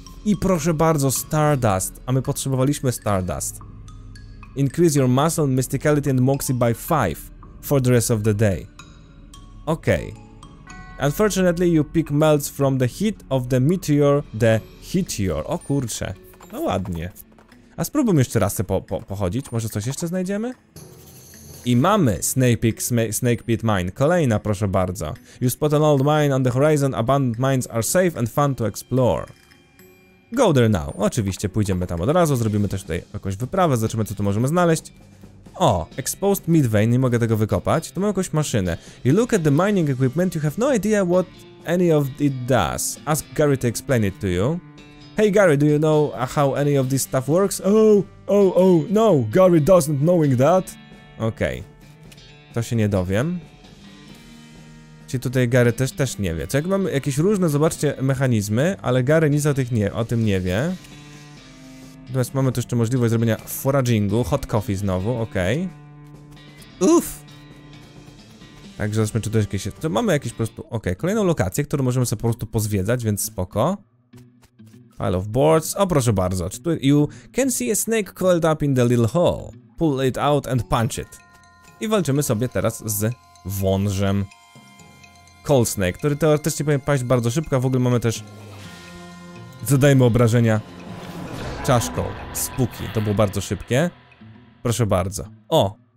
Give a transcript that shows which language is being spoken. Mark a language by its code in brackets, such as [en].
[pl] I proszę bardzo, Stardust. A my potrzebowaliśmy Stardust. [en] Increase your muscle, mysticality and moxie by 5 for the rest of the day. Okej. Okay. Unfortunately, you pick melts from the heat of the meteor, the heatior. [pl] O kurcze. No ładnie. A spróbujmy jeszcze raz pochodzić. Może coś jeszcze znajdziemy? I mamy Snake Pit Mine. Kolejna, proszę bardzo. [en] You spot an old mine on the horizon. Abandoned mines are safe and fun to explore. Go there now. [pl] Oczywiście pójdziemy tam od razu. Zrobimy też tutaj jakąś wyprawę. Zobaczymy, co tu możemy znaleźć. O, exposed meat vein. Nie mogę tego wykopać. To ma jakąś maszynę. [en] You look at the mining equipment. You have no idea what any of it does. Ask Gary to explain it to you. Hey Gary, do you know how any of this stuff works? No. Gary doesn't knowing that. [pl] Okej. Okay. To się nie dowiem. Czy tutaj Gary też nie wie. Czekaj, mam jakieś różne, zobaczcie, mechanizmy, ale Gary nic o tym nie wie. Natomiast mamy tu jeszcze możliwość zrobienia foragingu, hot coffee znowu, okej. Okay. Uff! Także zobaczmy, czy to jest jakieś... To mamy jakieś po prostu... Okej, okay, kolejną lokację, którą możemy sobie po prostu pozwiedzać, więc spoko. [en] Pile of boards. O, [pl] proszę bardzo. [en] You can see a snake coiled up in the little hole. Pull it out and punch it. [pl] I walczymy sobie teraz z wążem. Cold Snake, który teoretycznie powinien paść bardzo szybko, a w ogóle mamy też... Zadajmy obrażenia czaszką. Spooky, to było bardzo szybkie. Proszę bardzo. O!